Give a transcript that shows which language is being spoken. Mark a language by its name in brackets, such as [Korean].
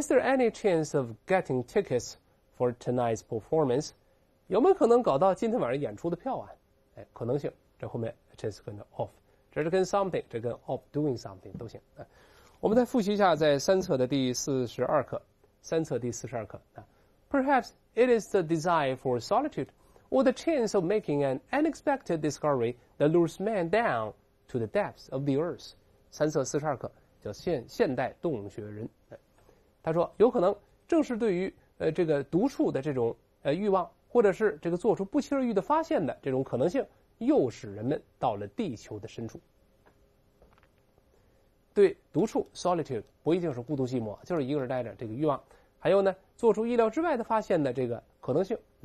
[English] Is there any chance of getting tickets for tonight's performance？ [Chinese] 有没有可能搞到今天晚上演出的票啊？可能性，这后面这是跟 of， 这是跟 something， 这跟 of doing something 都行。我们再复习一下在三册的第42课，三册第42课。 [English] Perhaps it is the desire for solitude or the chance of making an unexpected discovery that lures man down to the depths of the earth。 [Chinese] 三册42课叫现代洞穴人。他说有可能正是对于这个独处的这种欲望，或者是这个做出不期而遇的发现的这种可能性，又使人们到了地球的深处。对独处 solitude 不一定是孤独寂寞，就是一个人待着这个欲望，还有呢做出意料之外的发现的这个可能性。